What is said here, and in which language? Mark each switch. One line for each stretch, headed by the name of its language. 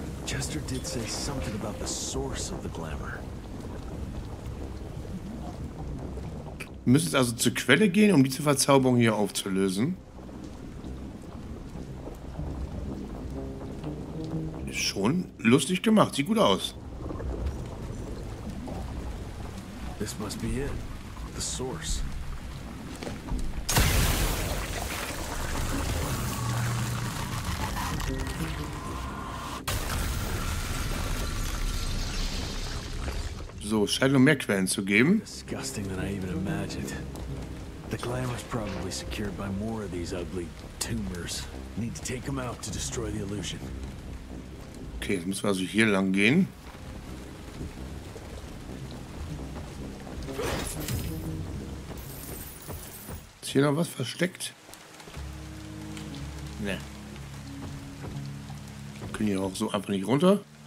English: Chester did say something about the source of the glamour.
German: Wir müssen jetzt also zur Quelle gehen, um diese Verzauberung hier aufzulösen. Ist schon lustig gemacht, sieht gut aus.
English: This must be it. The source.
German: So, scheint noch mehr Quellen zu geben.
English: Disgusting than I even imagined. The glamour's probably secured by more of these ugly tumors. Need to take them out to destroy the illusion.
German: Okay, jetzt müssen wir also hier lang gehen. Ist hier noch was versteckt? Ne. Können hier auch so einfach nicht runter.